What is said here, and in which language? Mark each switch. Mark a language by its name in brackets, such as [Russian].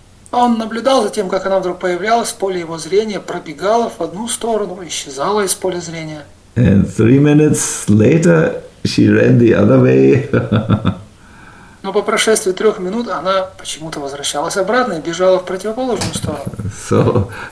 [Russian] Он наблюдал за тем, как она вдруг появлялась в поле его зрения, пробегала в одну сторону, исчезала из поля зрения. [English] And 3 minutes later, she ran the other way. [Russian] Но по прошествии 3 минут она почему-то возвращалась обратно и бежала в противоположную сторону.